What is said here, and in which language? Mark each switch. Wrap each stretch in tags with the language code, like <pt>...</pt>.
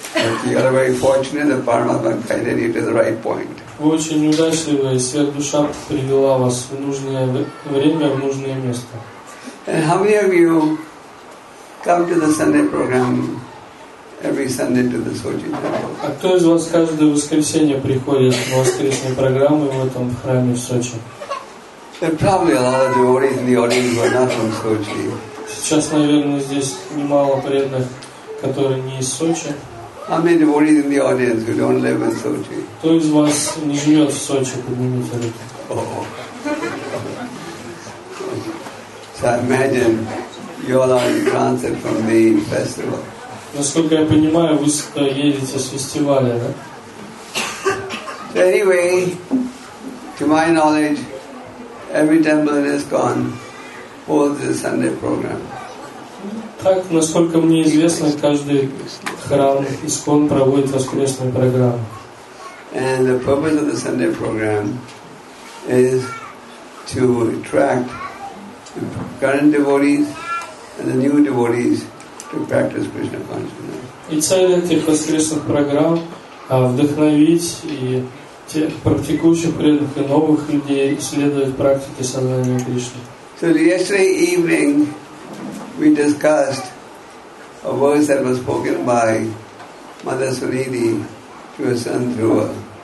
<en>that's you are very fortunate that Paramatma guided you to the right point.</en> <ru>Вы очень удачливы, и свет душа привела вас в нужное время, в нужное место.</ru> <en>And how many of you come to the Sunday program every Sunday to the Sochi temple?</en> <ru>А кто из вас каждое воскресенье приходит на воскресную программу в этом храме в Сочи?</ru> <en>There are probably a lot of devotees in the audience who are not from Sochi.</en> <ru>Сейчас, наверное, здесь немало преданных, которые не из Сочи.</ru> <en>How many devotees in the audience who don't live in Sochi?</en> <ru>Кто из вас не живет в Сочи, поднимите руку.</ru> <en>Oh. So I imagine you all are in transit from the festival.</en> <ru>Насколько я понимаю, вы едете с фестиваля, да?</ru> <en>So anyway, to my knowledge, every temple is gone. Holds the Sunday program.</en> <ru>Так, насколько мне известно, каждый храм ИСККОН проводит воскресную программу.</ru> <en>And the purpose of the Sunday program is to attract the current devotees and the new devotees to practice Krishna consciousness.</en> <ru>И цель этих воскресных программ вдохновить и тех практикующих преданных и новых людей исследовать практики сознания Кришны.</ru> <en>So yesterday evening, we discussed a verse that was spoken by Mother Sunidhi to her son Dhruva.</en>